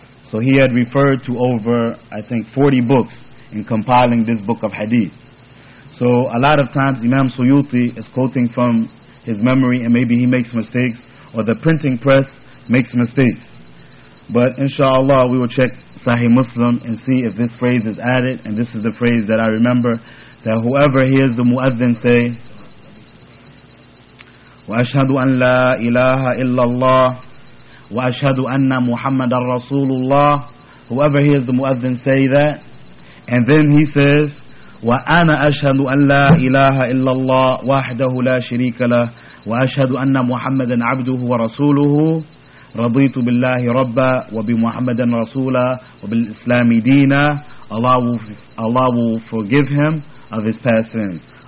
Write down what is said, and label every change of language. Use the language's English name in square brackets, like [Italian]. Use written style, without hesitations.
[English] So he had referred to over, I think, 40 books in compiling this book of hadith. So a lot of times Imam Suyuti is quoting from his memory, and maybe he makes mistakes, or the printing press makes mistakes. But inshallah, we will check Sahih Muslim and see if this phrase is added. And this is the phrase that I remember, that whoever hears the muadhin say, [Arabic] وَأَشْهَدُ أَنْ لَا إِلَهَ إِلَّا اللَّهِ وَأَشْهَدُ أَنَّ مُحَمَّدًا رَسُولُ اللَّهِ, [English] whoever hears the muadhin say that, and then he says, [Arabic] وَأَنَا أَشْهَدُ أَنْ لَا إِلَهَ إِلَّا اللَّهِ وَحْدَهُ لَا شِرِيكَ لَهُ وَأَشْهَدُ أَنَّ مُحَمَّدًا عَبْدُهُ وَرَسُولُهُ, رضيت بالله ربا وبمحمد رسولا وبالإسلام دينا. [English] Allah will forgive him of his past sins.